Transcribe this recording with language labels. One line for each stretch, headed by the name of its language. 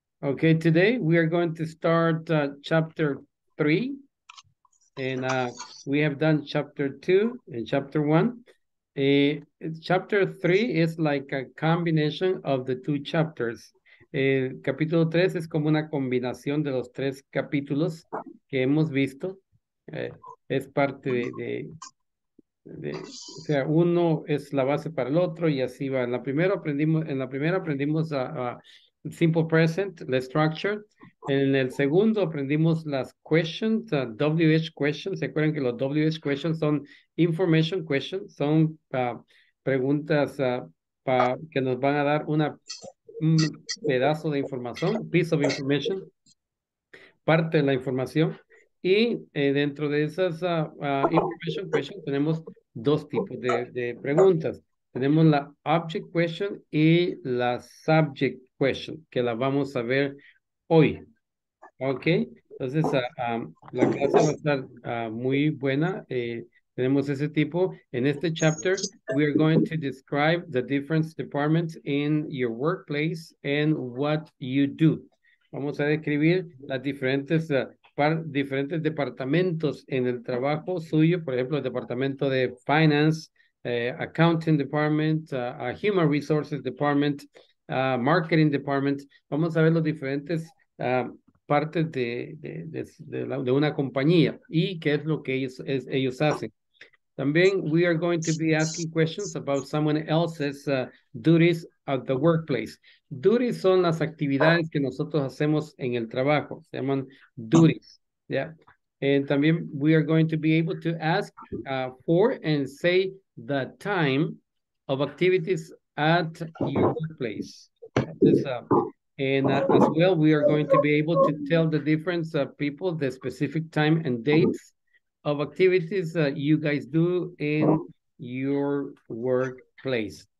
English: Okay, today we are going to start chapter 3. And we have done chapter 2 and chapter 1. Chapter 3 is like a combination of the two chapters.
Spanish: El capítulo 3 es como una combinación de los tres capítulos que hemos visto. Es parte o sea, uno es la base para el otro y así va. En la primera aprendimos a simple present,
English: the structure.
Spanish: En el segundo aprendimos las questions, WH questions. ¿Se acuerdan que los WH questions son information questions? Son preguntas que nos van a dar un pedazo de información,
English: piece of information,
Spanish: parte de la información. Y dentro de esas information questions tenemos dos tipos de preguntas. Tenemos la object question y la subject question, que la vamos a ver hoy. Ok, entonces la clase va a estar muy buena. Tenemos ese tipo. En este
English: chapter, we are going to describe the different departments in your workplace and what you do.
Spanish: Vamos a describir las diferentes, diferentes departamentos en el trabajo suyo. Por ejemplo, el departamento de finance, accounting department, human resources department, marketing department. Vamos a ver los diferentes partes de una compañía y qué es lo que ellos hacen.
English: También we are going to be asking questions about someone else's duties at the workplace.
Spanish: Duties son las actividades que nosotros hacemos en el trabajo. Se llaman duties. Yeah.
English: And también we are going to be able to ask for and say the time of activities at your workplace. And as well, we are going to be able to tell the different people the specific time and dates of activities that you guys do in your workplace.